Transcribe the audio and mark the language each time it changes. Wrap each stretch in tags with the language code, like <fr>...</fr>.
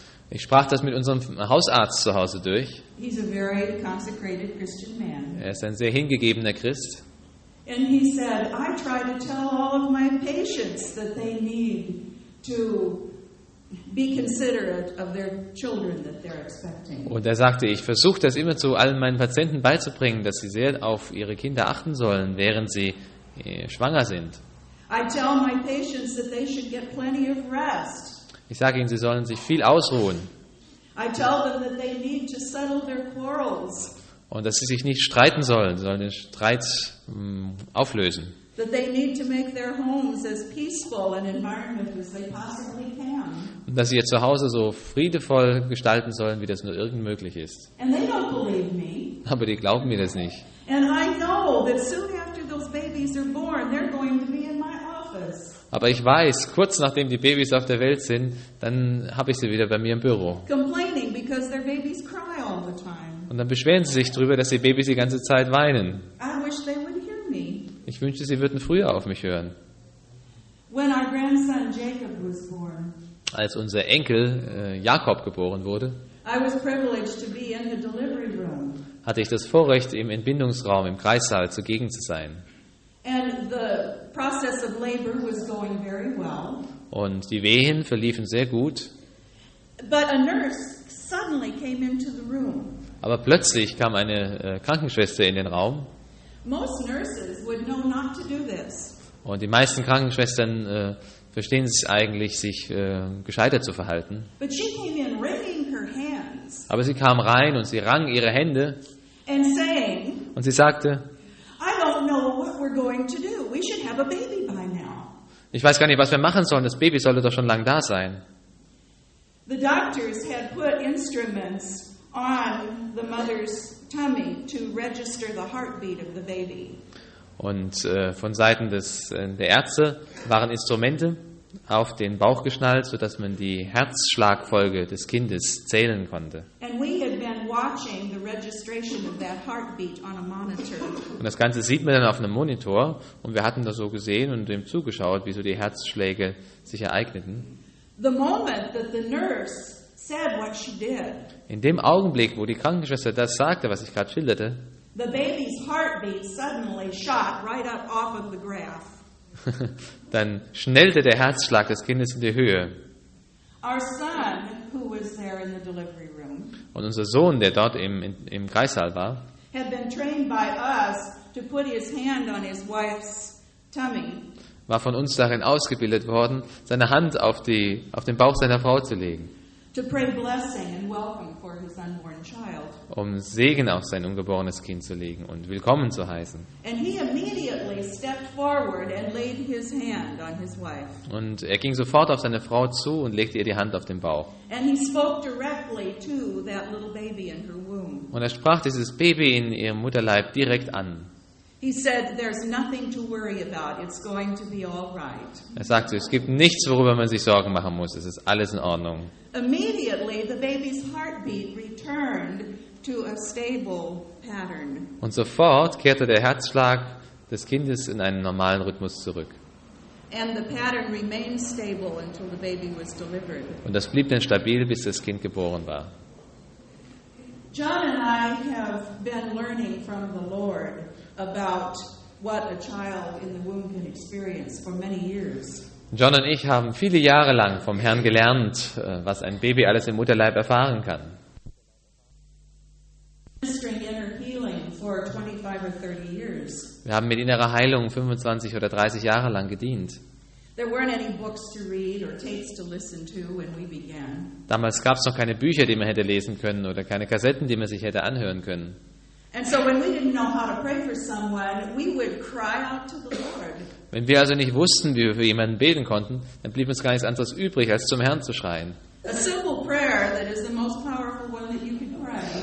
<de>Ich sprach das mit unserem Hausarzt zu Hause durch.</de> <en>He's a very consecrated Christian man.</en> <de>Er ist ein sehr hingegebener Christ.</de> <en>And he said, I try to tell all of my patients that they need to be considerate of their children that they're expecting.</en> <de>Und er sagte, ich versuche das immer zu allen meinen Patienten beizubringen, dass sie sehr auf ihre Kinder achten sollen, während sie schwanger sind.</de> <en>I tell my patients that they should get plenty of rest.</en> <de>Ich sage ihnen, sie sollen sich viel ausruhen.</de> <en>I tell them that they need to settle their quarrels.</en> <de>Und dass sie sich nicht streiten sollen, sondern den Streit auflösen.</de> <en>That they need to make their homes as peaceful an environment as they possibly can.</en> <de>Und dass sie ihr Zuhause so friedevoll gestalten sollen, wie das nur irgend möglich ist.</de> <en>And they don't believe me.</en> <de>Aber die glauben mir das nicht.</de> <en>And I know that soon after those babies are born, they're going to be in my office.</en> <de>Aber ich weiß, kurz nachdem die Babys auf der Welt sind, dann habe ich sie wieder bei mir im Büro.</de> <en>Complaining because their babies cry all the time.</en> <de>Und dann beschweren sie sich darüber, dass die Babys die ganze Zeit weinen.</de> <en>I wish they would hear me.</en> <de>Ich wünschte, sie würden früher auf mich hören.</de> <en>When our grandson Jacob was born,</en> <de>als unser Enkel Jakob geboren wurde,</de> <en>I was privileged to be in the delivery room.</en> <de>Hatte ich das Vorrecht, im Entbindungsraum, im Kreissaal zugegen zu sein.</de> <en>And the process of labor was going very well.</en> <de>Und die Wehen verliefen sehr gut.</de> <en>But a nurse suddenly came into the room.</en> <de>Aber plötzlich kam eine Krankenschwester in den Raum.</de> <en>Most nurses would know not to do this.</en> <de>Und die meisten Krankenschwestern verstehen es eigentlich, sich gescheitert zu verhalten.</de> <en>But she came in wringing her hands.</en> <de>Aber sie kam rein und sie rang ihre Hände.</de> <en>And saying,</en> <de>und sie sagte,</de> <en>I don't know what we're going to do. We should have a baby by now.</en> <de>Ich weiß gar nicht, was wir machen sollen. Das Baby sollte doch schon lange da sein.</de> <en>The doctors had put instruments on the mother's tummy to register the heartbeat of the baby.</en> <de>Und von Seiten der Ärzte waren Instrumente auf den Bauch geschnallt, sodass man die Herzschlagfolge des Kindes zählen konnte.</de> <en>And we had been watching the registration of that heartbeat on a monitor.</en> <de>Und das Ganze sieht man dann auf einem Monitor und wir hatten das so gesehen und dem zugeschaut, wie so die Herzschläge sich ereigneten.</de> <en>The moment that the nurse said what she did,</en> <de>in dem Augenblick, wo die Krankenschwester das sagte, was ich gerade schilderte,</de> <en>the baby's heartbeat suddenly shot right up off of the graph.</en> <de>Dann schnellte der Herzschlag des Kindes in die Höhe.</de> <en>Our son, who was there in the delivery room,</en> <de>und unser Sohn, der dort im Kreissaal war,</de> <en>had been trained by us to put his hand on his wife's tummy.</en> <de>War von uns darin ausgebildet worden, seine Hand auf den Bauch seiner Frau zu legen.</de> <en>To pray blessing and welcome for his unborn child.</en> <de>Um Segen auf sein ungeborenes Kind zu legen und willkommen zu heißen.</de> <en>And he immediately stepped forward and laid his hand on his wife.</en> <de>Und er ging sofort auf seine Frau zu und legte ihr die Hand auf den Bauch.</de> <en>And he spoke directly to that little baby in her womb.</en> <de>Und er sprach dieses Baby in ihrem Mutterleib direkt an.</de> <en>He said, "There's nothing to worry about. It's going to be all right."</en> <de>Er sagte, es gibt nichts, worüber man sich Sorgen machen muss. Es ist alles in Ordnung.</de> <en>Immediately, the baby's heartbeat returned to a stable pattern.</en> <de>Und sofort kehrte der Herzschlag des Kindes in einen normalen Rhythmus zurück.</de> <en>And the pattern remained stable until the baby was delivered.</en> <de>Und das blieb dann stabil, bis das Kind geboren war.</de> <en>John and I have been learning from the Lord about what a child in the womb can experience for many years.</en> <de>John und ich haben viele Jahre lang vom Herrn gelernt, was ein Baby alles im Mutterleib erfahren kann. Wir haben mit innerer Heilung 25 oder 30 Jahre lang gedient. Damals gab es noch keine Bücher, die man hätte lesen können, oder keine Kassetten, die man sich hätte anhören können.</de> <en>And so when we didn't know how to pray for someone, we would cry out to the Lord.</en> <de>Wenn wir also nicht wussten, wie wir für jemanden beten konnten, dann blieb uns gar nichts anderes übrig, als zum Herrn zu schreien.</de> <en>A simple prayer that is the most powerful one that you can pray.</en>